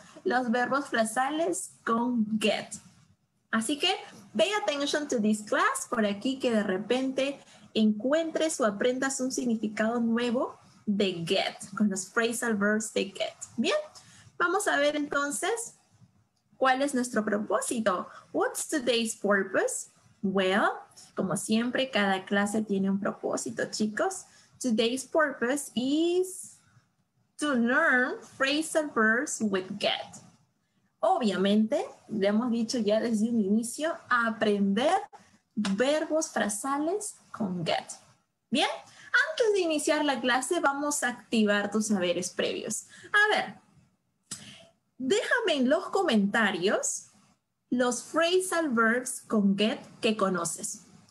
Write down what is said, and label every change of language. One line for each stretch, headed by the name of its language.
Spanish: Los verbos frasales con get. Así que,
English: pay attention to this class,
Spanish: por aquí que de repente encuentres o aprendas un significado nuevo de get, con los phrasal verbs de get. ¿Bien? Vamos a ver entonces, ¿cuál es nuestro propósito?
English: What's today's purpose? Well,
Spanish: como siempre, cada clase tiene un propósito, chicos.
English: Today's purpose is to learn phrasal verbs with get.
Spanish: Obviamente, le hemos dicho ya desde un inicio, aprender verbos frasales con get. Bien, antes de iniciar la clase, vamos a activar tus saberes previos. A ver, déjame en los comentarios los phrasal verbs con get que conoces.